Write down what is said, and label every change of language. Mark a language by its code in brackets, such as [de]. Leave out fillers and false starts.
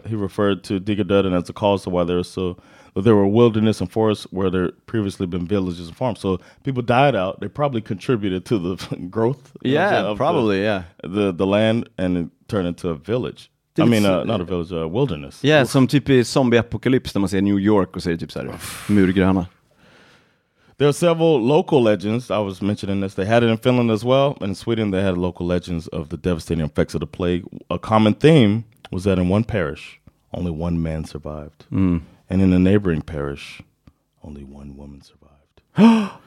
[en] He referred to Dika Durden as the cause of why there was so... There were wilderness and forests where there previously been villages and farms. So people died out. They probably contributed to the growth. Yeah, probably, the, yeah. The land, and it turned into a village. Did I mean, not a village, a wilderness. [sv] Yeah, oof. Som typ i zombie-apokalyps när man ser New York och ser typ så här, murgröna. [en] There are several local legends. I was mentioning this. They had it in Finland as well. In Sweden, they had local legends of the devastating effects of the plague. A common theme was that in one parish, only one man survived. Mm. And in a neighboring parish, only one woman survived.